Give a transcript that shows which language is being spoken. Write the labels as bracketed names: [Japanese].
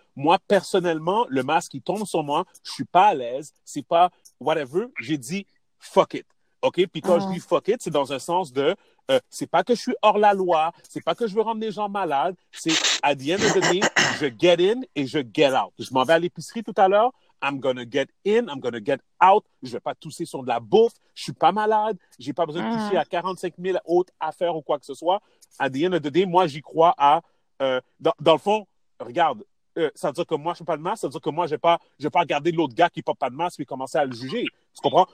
[French] Moi, personnellement, le masque, il tombe sur moi. Je ne suis pas à l'aise. C'est pas whatever. J'ai dit « [English] fuck it [French] ». OK? Puis quand je dis « [English] fuck it [French] », c'est dans un sens de « c'est pas que je suis hors la loi. C'est pas que je veux rendre les gens malades. C'est « [English] at the end of the day, [French] je [English] get in [French] et je [English] get out ». [French] Je m'en vais à l'épicerie tout à l'heure. [English] « I'm gonna get in, I'm gonna get out. [French] Je ne vais pas tousser sur de la bouffe. Je ne suis pas malade. Je n'ai pas besoin de toucher à 45 000 autres affaires ou quoi que ce soit. » À [English] the end of the day, [French] moi, j'y crois à... dans le fond, regarde, ça veut dire que moi, je ne suis pas de masque. Ça veut dire que moi, je vais pas regarder l'autre gars qui ne porte pas de masque et commencer à le juger. Tu comprends?